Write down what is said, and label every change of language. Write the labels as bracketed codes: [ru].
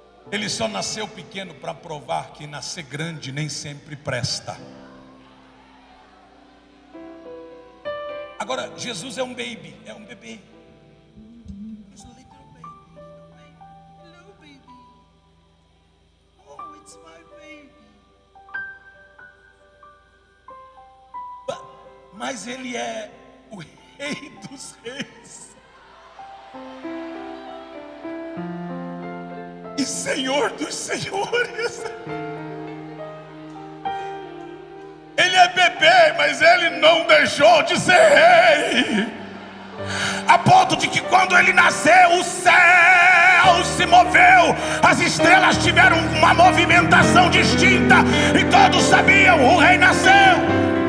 [pt] Ele só nasceu pequeno para provar que nascer grande nem sempre presta. Agora, Jesus é um baby, é um bebê. [en] He's a little baby, little baby, little baby. Oh, it's my baby. [pt] mas ele é o rei dos reis e senhor dos senhores. Ele é bebê, mas ele não deixou de ser rei, a ponto de que quando ele nasceu, o céu se moveu, as estrelas tiveram uma movimentação distinta, e todos sabiam, o rei nasceu.